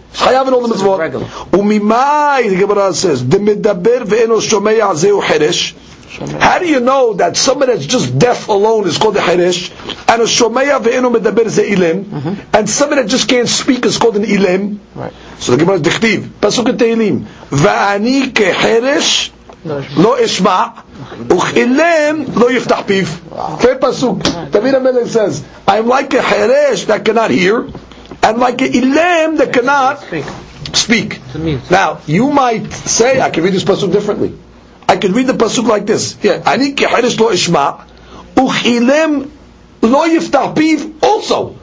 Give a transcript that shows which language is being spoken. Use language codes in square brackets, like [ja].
[en] He's Chayav in all the Mitzvot. Umimai, the Gemara says, the [he] Medaber ve'eno Shomeya zehu Chiresh. [en] How do you know that somebody that's just deaf alone is called a Chiresh, and a Shomeya ve'eno Medaber zeh Ilim, and somebody that just can't speak is called an Ilim? Right. So the Gemara is Dichtiv. Pasuk Tehilim. Va'ani ke Chiresh [he] לא ישמע וחילם לא יפתח פיו. זה פסוק. [en] דוד המלך says, I'm like a hiresh that cannot hear, and like a ilem that cannot speak. Now, you might say, I can read this pasuk differently. I can read the pasuk like this. Yeah, [he] ani kehiresh lo ishma, uchilem lo yiftach piv [en] also.